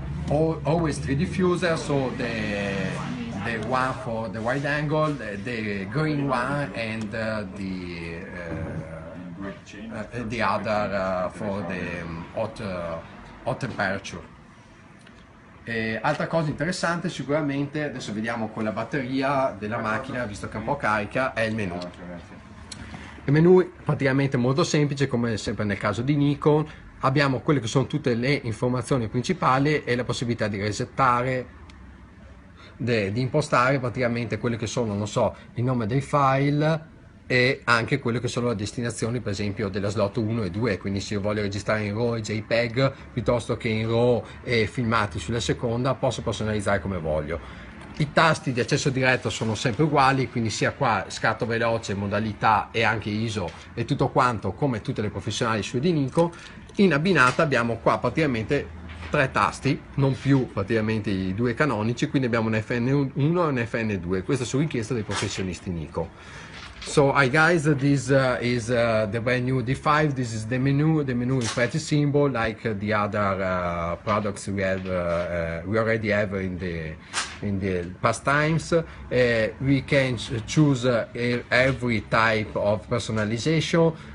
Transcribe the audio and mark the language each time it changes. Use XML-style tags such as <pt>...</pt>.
<en>Always three diffusers, so the one for the wide angle, the green one, and the other for the hot temperature.</en> <it>Altra cosa interessante sicuramente, adesso vediamo con la batteria della macchina, visto che è un po' carica, è il menu. Il menu è praticamente molto semplice, come sempre nel caso di Nikon, abbiamo quelle che sono tutte le informazioni principali e la possibilità di resettare, di impostare praticamente quelle che sono, non so, il nome dei file e anche quelle che sono le destinazioni, per esempio della slot 1 e 2, quindi se io voglio registrare in RAW e JPEG piuttosto che in RAW e filmati sulla seconda, posso personalizzare come voglio. I tasti di accesso diretto sono sempre uguali, quindi sia qua scatto veloce, modalità e anche ISO e tutto quanto come tutte le professionali su di Nikon. In abbinata abbiamo qua praticamente tre tasti, non più praticamente i due canonici, quindi abbiamo un FN1 e un FN2, questa su richiesta dei professionisti Nikon.</it> <en>So hi guys, this is the brand new D5, this is the menu. The menu is pretty simple, like the other products we have we already have in the past times. We can choose every type of personalization.</en>